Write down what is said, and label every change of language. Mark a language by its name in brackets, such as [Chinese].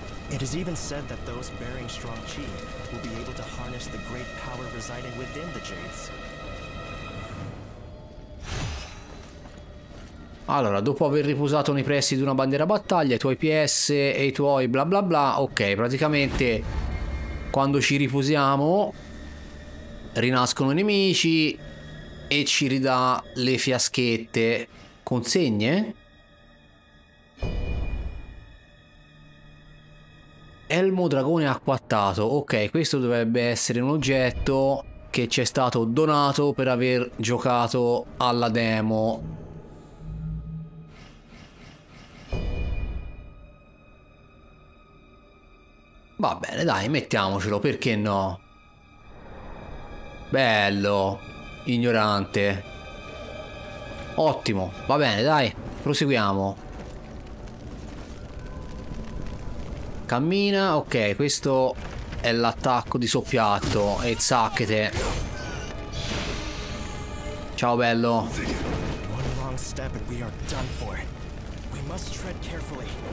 [English] It is even said that those bearing strong chi will be able to harness the great power residing within the jades. [Italian] Allora, dopo aver riposato nei pressi di una bandiera battaglia, i tuoi PS e i tuoi bla bla bla, ok, praticamente quando ci riposiamo rinascono i nemici e ci ridà le fiaschette. Consegne? Elmo dragone acquattato, ok, questo dovrebbe essere un oggetto che ci è stato donato per aver giocato alla demo. Va bene, dai, mettiamocelo, perché no? Bello, ignorante. Ottimo, va bene, dai, proseguiamo. Cammina, ok, questo è l'attacco di soppiatto e zacchete. Ciao, bello. [English] One wrong step and we are done for. We must tread carefully.